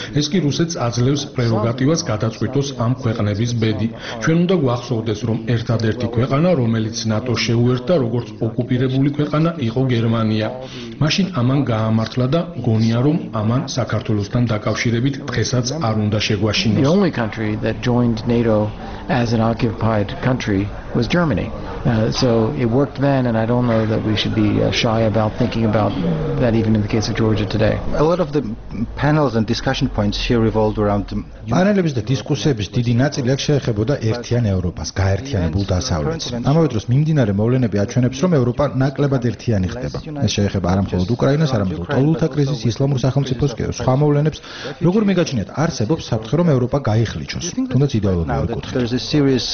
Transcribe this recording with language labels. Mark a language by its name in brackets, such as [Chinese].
[Georgian] ეს კი რუსეთს აძლევს პრეროგატივას გადაწყვიტოს ამ ქვეყნების ბედი. ჩვენ უნდა გვახსოვდეს, რომ ერთადერთი ქვეყანა, რომელიც ნატოს შეუერთდა, როგორც ოკუპირებული ქვეყანა, იყო გერმანია. მაშინ ამან გაამართლა და გონია, რომ ამან საქართველოსთან დაკავშირებით დღესაც არ უნდა შეგვაშინოს. [English] The only country that joined NATO as an occupied country was Germany. So it worked. worked then, and I don't know that we should be shy about thinking about that even in the case of Georgia today. A lot of the panels and discussion points here revolved around [Georgian] პანელების და დისკუსიების დიდი ნაწილი აქ შეეხებოდა ერთიან ევროპას, გაერთიანებულ დასავლეთს. ამავე დროს მიმდინარე მოვლენები აჩვენებს, რომ ევროპა ნაკლებად ერთიანი ხდება. ეს შეეხება არამხოლოდ უკრაინას, არამედ ტოლუთა კრიზისს, ისლამურ სახელმწიფოს კი სხვა მოვლენებს. როგორ მიგაჩნიათ, არსებობს საფრთხე, რომ ევროპა გაიხლიჩოს, თუნდაც იდეოლოგიური